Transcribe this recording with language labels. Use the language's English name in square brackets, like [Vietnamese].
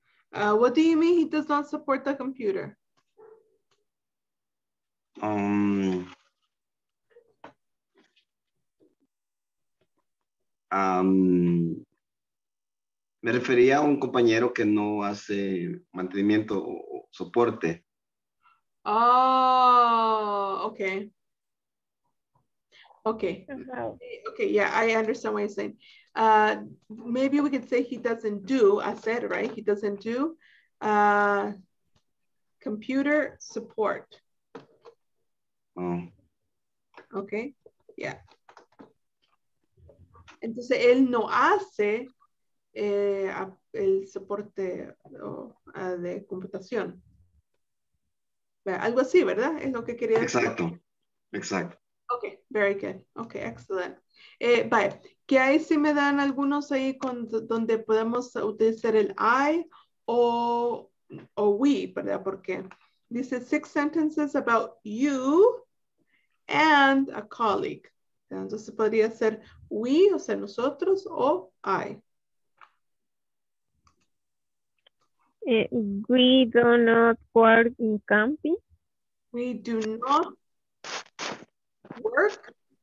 [English] What do you mean he does not support the computer? [Spanish] Me refería a un compañero que no hace mantenimiento soporte. [English] Oh, okay. Okay. Okay, yeah, I understand what you're saying. Maybe we could say he doesn't do, I said, right? He doesn't do computer support. Okay, yeah. [Spanish] Entonces, él no hace el soporte de computación. Algo así, ¿verdad? Es lo que quería decir. Exacto, exacto. [English] Okay, very good. Okay, excellent. Bye. [Spanish] ¿Qué hay si me dan algunos ahí con donde podemos utilizar el I o we, ¿verdad? Porque dice [English] 6 sentences about you and a colleague. [Spanish] Entonces podría ser we, o sea, nosotros, o I. [English] We do not work in camping. We do not work.